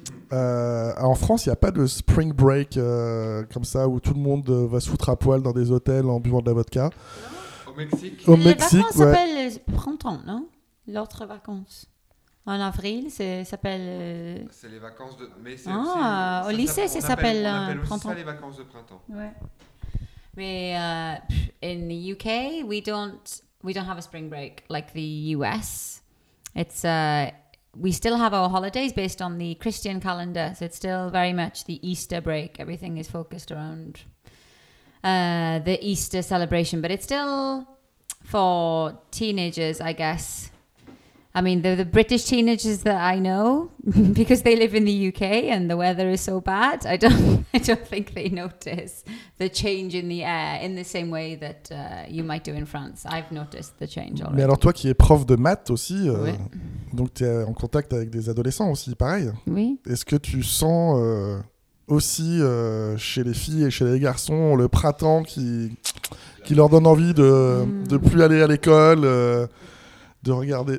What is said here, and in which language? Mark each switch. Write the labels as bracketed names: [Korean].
[French] En France, il n'y a pas de spring break comme ça où tout le monde va se foutre à poil dans des hôtels en buvant de la vodka. Non. Au Mexique. Les vacances s'appellent printemps, non ? L'autre vacances. En avril, s'appelle. C'est les vacances de. Mais c'est aussi, au lycée, ça s'appelle printemps. On appelle aussi ça les vacances de printemps. Ouais. [English] Mais in the UK, we don't have a spring break like the US. It's we still have our holidays based on the Christian calendar, so it's still very much the Easter break. Everything is focused around the Easter celebration, but it's still for teenagers, I guess. I mean, they're the British teenagers that I know because they live in the UK and the weather is so bad. I don't think they notice the change in the air in the same way that you might do in France. I've noticed the change already. [French] Mais alors toi qui es prof de maths aussi, donc tu es en contact avec des adolescents aussi, pareil. Oui. Est-ce que tu sens aussi chez les filles et chez les garçons le printemps qui leur donne envie de plus aller à l'école de regarder.